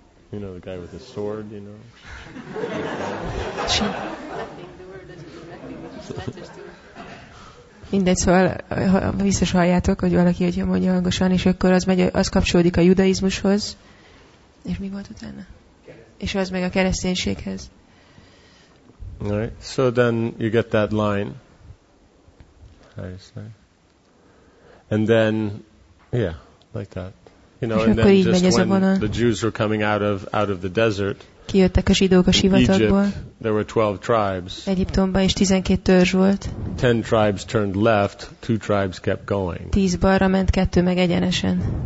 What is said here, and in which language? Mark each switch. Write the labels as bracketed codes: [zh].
[en] You know the guy with the sword, you know? [hu] Mindegy, szóval biztos halljátok, hogy valaki, hogyha mondja hangosan, és akkor az kapcsolódik a judaizmushoz. És mi volt utána? És az meg a kereszténységhez. [en] Right. So then you get that line. And then, yeah, like that. You know, [hu] és [en] and then just when [hu] vonal, [en] the Jews were coming out of the desert, [hu] kijöttek a zsidók a sivatagból. [en] There were 12 tribes. [hu] Egyiptomban is 12 törzs volt. [en] 10 tribes turned left, 2 tribes kept going. [hu] 10 balra ment, 2 meg egyenesen.